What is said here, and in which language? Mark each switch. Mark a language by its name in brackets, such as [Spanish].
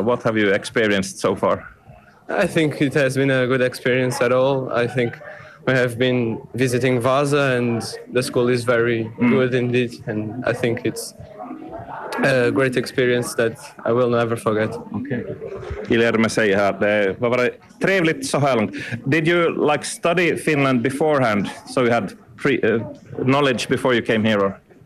[English] What have you experienced so far? I think it has been a good experience at all. I think we have been visiting Vasa and the school is very good indeed. And I think it's a great experience that I will never forget. Okay. [Swedish] Ilja Ermä säger här, det var bara trevligt så här långt. [English] Did you like study Finland beforehand? So you had knowledge before you came here? Or?